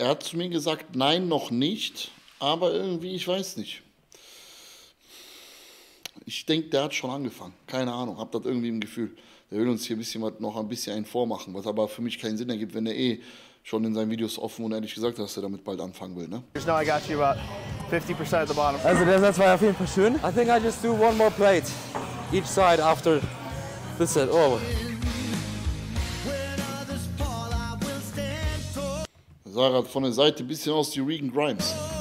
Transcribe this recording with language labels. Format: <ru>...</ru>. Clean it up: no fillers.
<de>Er hat zu mir gesagt, nein, noch nicht. Aber irgendwie, ich weiß nicht. Ich denke, der hat schon angefangen. Keine Ahnung. Hab das irgendwie im Gefühl. Der will uns hier ein bisschen noch ein bisschen einen vormachen. Was aber für mich keinen Sinn ergibt, wenn er eh schon in seinen Videos offen und ehrlich gesagt, dass er damit bald anfangen will, ne?</de> <en>Just now I got you about 50% at the bottom.</en> <de>Also das war auf jeden Fall schön.</de> <en>I think I just do one more plate each side after this set. Oh. Sarah von der Seite ein bisschen aus die Regan Grimes.</en>